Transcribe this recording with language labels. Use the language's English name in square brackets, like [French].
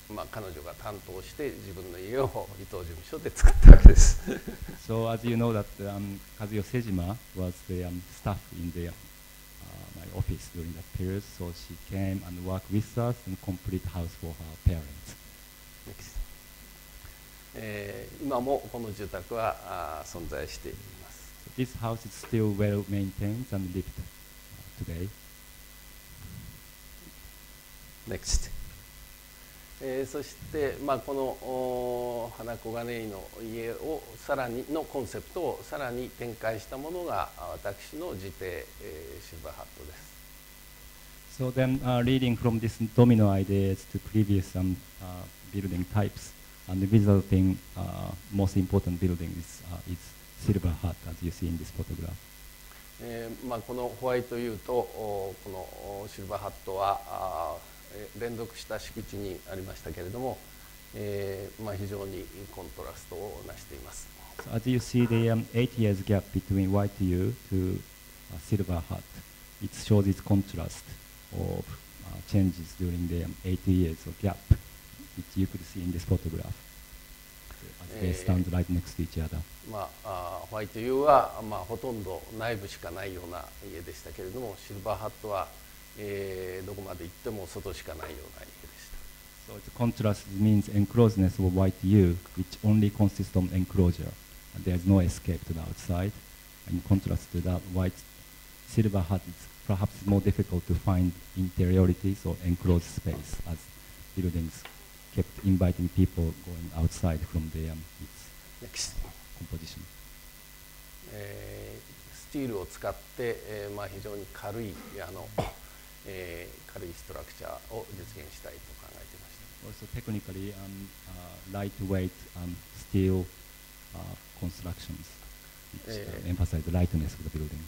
[Japanese] 彼女が担当して自分の家を伊藤事務所で作ったわけです。 [English] So as you know that Kazuyo Sejima was the staff in the my office during that period, so she came and worked with us and complete house for her parents. [Japanese] 今もこの住宅は存在しています。 [English] So、this house is still well maintained and lived today. Next. [Japanese] そして、この花小金井の家をさらにのコンセプトをさらに展開したものが私の自邸、シルバーハットです。 [English] So then, reading from this domino ideas to previous building types and the resulting most important building is Silver Hat, as you see in this photograph. [Japanese] このホワイトユーとこのシルバーハットは連続した敷地にありましたけれども、非常にコントラストを成しています。 [English] So、as you see the 8 years gap between white U to a silver hat, it shows its contrast of changes during the 8 years of gap, which you could see in this photograph. As they stand right next to each other. [Japanese] ホワイト U は、ほとんど内部しかないような家でしたけれども、シルバーハットはどこまで行っても外しかないような家でした。 [English] So the contrast means enclosedness of white U, which only consists of enclosure. There's no escape to the outside. In contrast to that, white silver hat is perhaps more difficult to find interiority, so enclosed space as buildings kept inviting people going outside from their its composition. [Japanese] スチールを使って、非常に軽い軽いストラクチャーを実現したいと考えていました。 [English] Also technically, lightweight steel constructions, which emphasize the lightness of the building.